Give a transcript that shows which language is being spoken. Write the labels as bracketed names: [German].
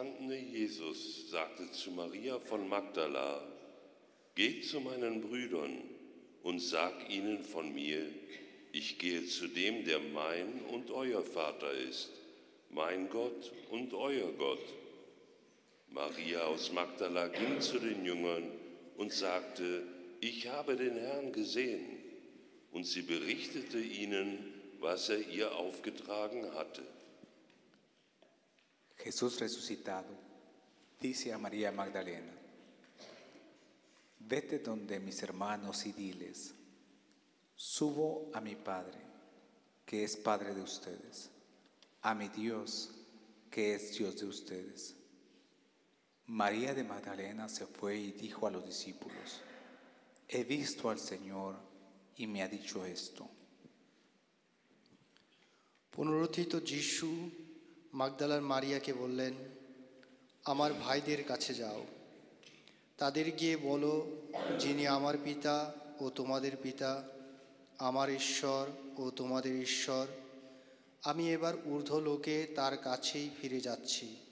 [German] Jesus sagte zu Maria von Magdala, geh zu meinen Brüdern und sag ihnen von mir, ich gehe zu dem, der mein und euer Vater ist, mein Gott und euer Gott. Maria aus Magdala ging zu den Jüngern und sagte, ich habe den Herrn gesehen. Und sie berichtete ihnen, was er ihr aufgetragen hatte. [Spanish] Jesus resucitado. Dice a María Magdalena, vete donde mis hermanos y diles, subo a mi Padre, que es Padre de ustedes, a mi Dios, que es Dios de ustedes. María de Magdalena se fue y dijo a los discípulos, he visto al Señor y me ha dicho esto. [Bangla] Punorutito Jishu, Magdala María que volen, আমার ভাইদের কাছে যাও তাদের গিয়ে বলো যিনি আমার পিতা ও তোমাদের পিতা আমার ঈশ্বর ও তোমাদের ঈশ্বর আমি এবার ঊর্ধ্ব লোকে তার কাছেই ফিরে যাচ্ছি